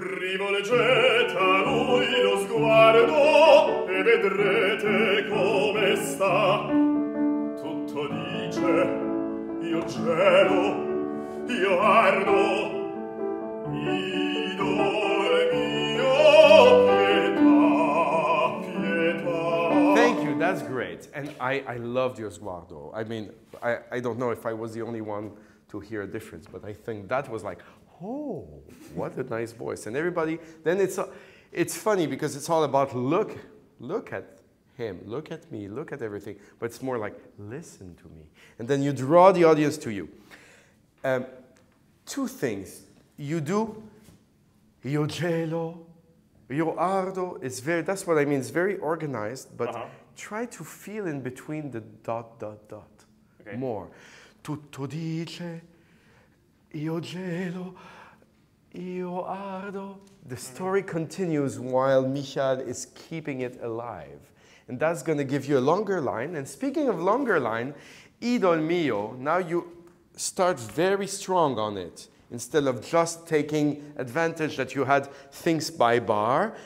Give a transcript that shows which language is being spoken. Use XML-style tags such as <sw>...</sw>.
<it>Rivolgete a lui lo sguardo e vedrete come sta. Tutto dice. Io gelo, io ardo, idol mio, pietà, pietà.</it> <en>Thank you, that's great. And I loved your sguardo. I mean, I don't know if I was the only one to hear a difference, but I think that was like, oh, what a nice voice. And everybody, then it's funny because it's all about look at him, look at me, look at everything, but it's more like, listen to me. And then you draw the audience to you. Two things. You do, io gelo, io ardo, that's what I mean, it's very organized, but try to feel in between the dot, okay. More.</en> <it>Tutto dice, io gelo, io ardo.</it> <en>The story continues while Michal is keeping it alive. And that's going to give you a longer line. And speaking of longer line, idol mio, now you start very strong on it instead of just taking advantage that you had things by bar.</en>